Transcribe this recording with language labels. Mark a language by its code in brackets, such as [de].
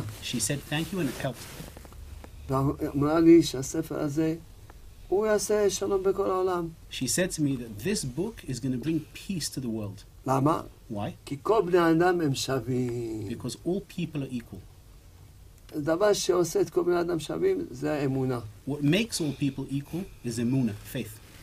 [en] She said thank you and it helped. She said to me that this book is going to bring peace to the world. Why? Because all people are equal. [he] הדבר שעושה את כל בני אדם שווים זה האמונה. [en] What makes all people equal is emuna, faith.